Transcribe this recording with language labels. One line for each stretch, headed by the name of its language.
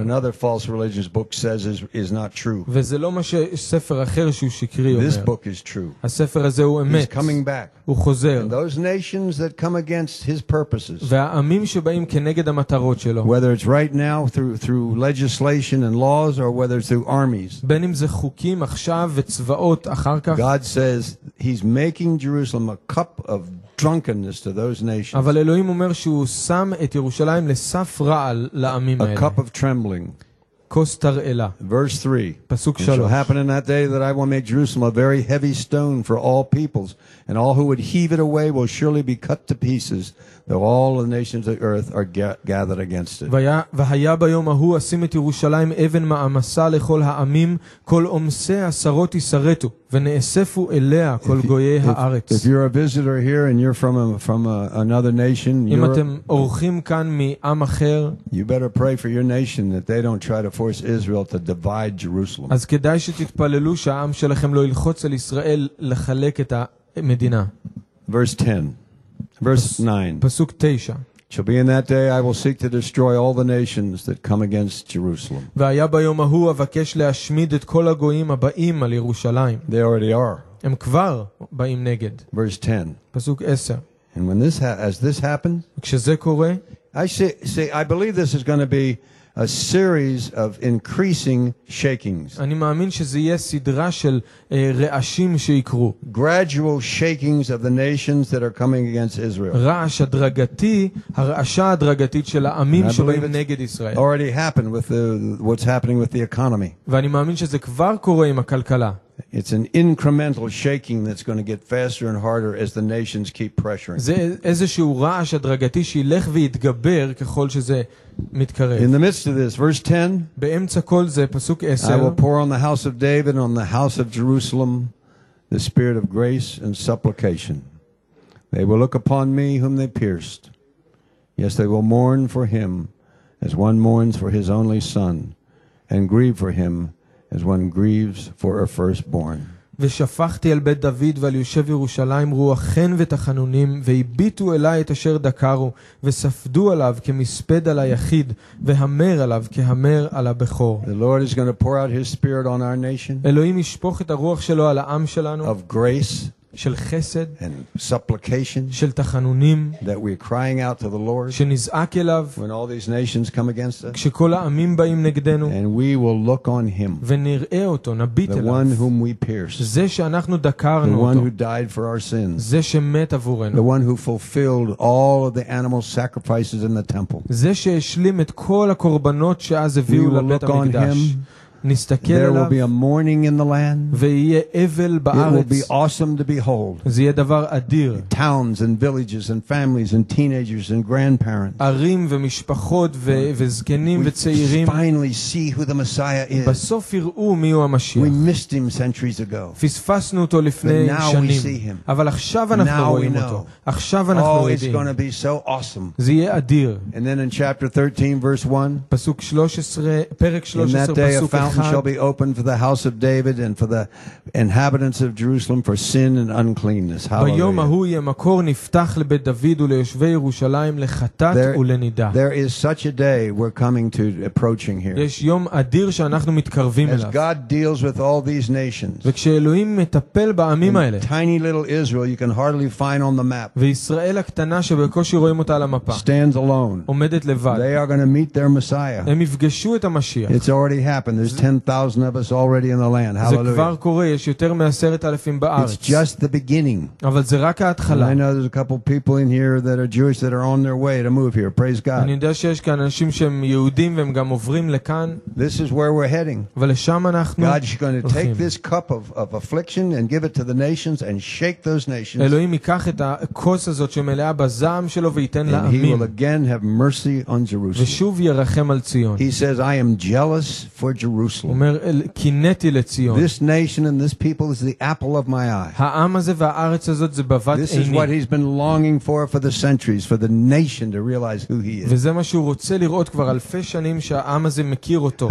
English: What another false religious book says is not true.
Hebrew: וזה לא מה שספר אחר שהוא שקרי אומר.
English: This book is true.
Hebrew: הספר הזה הוא אמת.
English: He's coming back.
Hebrew: הוא חוזר.
English: And those nations that come against his purposes.
Hebrew: והעמים שבאים כנגד המטרות שלו.
English: Whether it's right now through legislation and laws, or whether it's through armies.
Hebrew: בין אם זה חוקים עכשיו וצבאות אחר כך.
English: God says he's making Jerusalem a cup of drunkenness to those nations.
Hebrew: אבל אלוהים אומר שהוא שם את ירושלים לסף רעל לעמים האלה.
English: A cup of trembling.
Hebrew: כוס תרעלה.
English: Verse 3.
Hebrew: פסוק 3.
English: It shall happen in that day that I will make Jerusalem a very heavy stone for all peoples, and all who would heave it away will surely be cut to pieces, though all the nations of the earth are gathered against it.
Hebrew: והיה ביום ההוא אשים את ירושלים אבן מעמסה לכל העמים, כל עומסי עשרות ישרתו, ונאספו אליה כל גויי הארץ.
English: If you're a visitor here and you're from another nation,
Hebrew: אם אתם אורחים כאן מעם אחר,
English: you better pray for your nation that they don't try to force Israel to divide Jerusalem.
Hebrew: אז כדאי שתתפללו שהעם שלכם לא ילחוץ על ישראל לחלק את המדינה.
English: Verse 9. Shall be in that day I will seek to destroy all the nations that come against Jerusalem.
Hebrew: והיה ביום ההוא אבקש להשמיד את כל הגויים הבאים על ירושלים.
English: They already are.
Hebrew: הם כבר באים נגד.
English: Verse 10.
Hebrew: פסוק 10.
English: And when this as this happens,
Hebrew: כשזה קורה,
English: I believe this is going to be a series of increasing shakings.
Hebrew: אני מאמין שזה יהיה סדרה של רעשים שיקרו.
English: Gradual shakings of the nations that are coming against Israel.
Hebrew: רעש הדרגתי, הרעשה הדרגתית של העמים שבאים נגד ישראל.
English: Already happened with what's happening with the economy.
Hebrew: ואני מאמין שזה כבר קורה עם הכלכלה.
English: It's an incremental shaking that's going to get faster and harder as the nations keep pressuring.
Hebrew: זה איזשהו רעש הדרגתי שילך ויתגבר ככל שזה מתקרב.
English: In the midst of this, verse 10.
Hebrew: באמצע כל זה, פסוק 10.
English: I will pour on the house of David and on the house of Jerusalem the spirit of grace and supplication. They will look upon me whom they pierced. Yes, they will mourn for him as one mourns for his only son and grieve for him as one grieves for a firstborn.
Hebrew: ושפכתי על בית דוד ועל יושב ירושלים רוח חן ותחנונים, והביטו אליי את אשר דקרו, וספדו עליו כמספד על היחיד, והמר עליו כהמר על הבכור.
English: The Lord is going to pour out his spirit on our nation.
Hebrew: אלוהים ישפוך את הרוח שלו על העם שלנו.
English: Of grace.
Hebrew: של חסד.
English: And supplication.
Hebrew: של תחנונים.
English: That we're crying out to the Lord.
Hebrew: שנזעק אליו.
English: When all these nations come against us.
Hebrew: כשכל העמים באים נגדנו.
English: And we will look on him.
Hebrew: ונראה אותו, נביט אליו.
English: The one whom we pierced.
Hebrew: זה שאנחנו דקרנו אותו.
English: The one who died for our sins.
Hebrew: זה שמת עבורנו.
English: The one who fulfilled all of the animal sacrifices in the temple.
Hebrew: זה שהשלים את כל הקורבנות שאז הביאו לבית המקדש.
English: We will look on him. There will be a mourning in the land.
Hebrew: ויהיה אבל בארץ.
English: It will be awesome to behold.
Hebrew: זה יהיה דבר אדיר.
English: Towns and villages and families and teenagers and grandparents.
Hebrew: ערים ומשפחות וזקנים וצעירים.
English: We finally see who the Messiah is.
Hebrew: בסוף יראו מי הוא המשיח.
English: We missed him centuries ago.
Hebrew: פספסנו אותו לפני שנים. אבל עכשיו אנחנו רואים אותו. עכשיו אנחנו רואים.
English: Oh, it's going to be so awesome.
Hebrew: זה יהיה אדיר.
English: And then in chapter 13 verse 1.
Hebrew: פסוק 13, פרק 13, פסוק
English: Mountain shall be opened for the house of David and for the inhabitants of Jerusalem for sin and uncleanness. Hallelujah.
Hebrew: ביום ההוא יהיה מקור נפתח לבית דוד וליושבי ירושלים לחטאת ולנידה.
English: There is such a day we're coming to approaching here.
Hebrew: יש יום אדיר שאנחנו מתקרבים אליו.
English: As God deals with all these nations.
Hebrew: וכשאלוהים מטפל בעמים האלה.
English: Tiny little Israel you can hardly find on the map.
Hebrew: וישראל הקטנה שבקושי רואים אותה על המפה.
English: Stands alone.
Hebrew: עומדת לבד.
English: They are going to meet their Messiah.
Hebrew: הם יפגשו את המשיח.
English: It's already happened. There's 10,000 of us already in the land. Hallelujah.
Hebrew: זה כבר קורה, יש יותר מ-10,000 בארץ.
English: It's just the beginning.
Hebrew: אבל זה רק ההתחלה.
English: I know there's a couple people in here that are Jewish that are on their way to move here. Praise God.
Hebrew: אני יודע שיש כאן אנשים שהם יהודים והם גם עוברים לכאן.
English: This is where we're heading.
Hebrew: אבל לשם אנחנו הולכים.
English: God is going to take this cup of affliction and give it to the nations and shake those nations.
Hebrew: אלוהים ייקח את הכוס הזאת שמלאה בזעם שלו וייתן לעמים.
English: And he will again have mercy on Jerusalem.
Hebrew: ושוב ירחם על ציון.
English: He says, I am jealous for Jerusalem. This nation and this people is the apple of my eye. This is what he's been longing for the centuries, for the nation to realize who he is.